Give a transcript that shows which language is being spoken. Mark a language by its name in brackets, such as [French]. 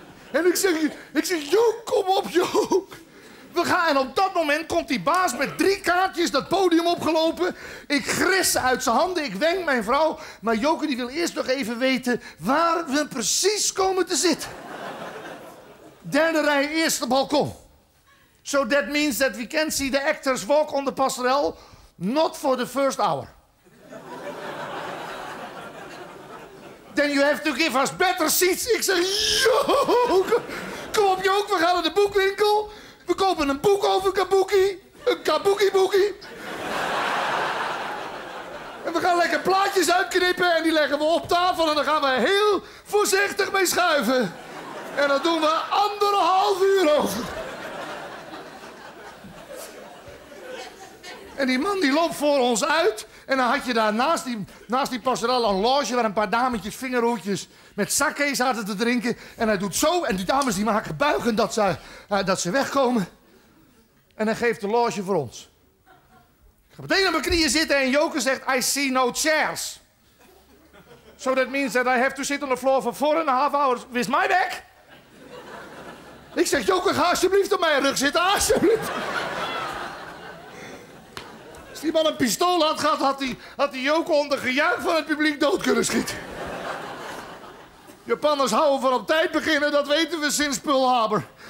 [Dutch] En ik zeg, Joop, kom op, Joop. We gaan, en op dat moment komt die baas met drie kaartjes dat podium opgelopen. Ik gris uit zijn handen, ik wenk mijn vrouw. Maar Joke die wil eerst nog even weten waar we precies komen te zitten. Derde rij, eerste balkon. [English] So that means that we can see the actors walk on the passerelle. Not for the first hour. Then you have to give us better seats. [Dutch] Ik zeg, Joke, kom op Joke, we gaan naar de boekwinkel. We kopen een boek over kabuki. Een kabuki-boekie. En we gaan lekker plaatjes uitknippen en die leggen we op tafel. En dan gaan we heel voorzichtig mee schuiven. En dat doen we anderhalf uur over. En die man die loopt voor ons uit. En dan had je daar naast die passerelle een loge waar een paar dametjes vingerhoedjes met sake zaten te drinken. En hij doet zo en die dames die maken buigen dat ze wegkomen. En hij geeft de loge voor ons. Ik ga meteen op mijn knieën zitten en Joke zegt, [English] I see no chairs. So that means that I have to sit on the floor for 4.5 hours with my back. [Dutch] Ik zeg, Joke, ga alsjeblieft op mijn rug zitten, alsjeblieft. Als die man een pistool had gehad, had hij Joke onder gejuich van het publiek dood kunnen schieten. Japanners houden van op tijd beginnen, dat weten we sinds Pearl Harbor.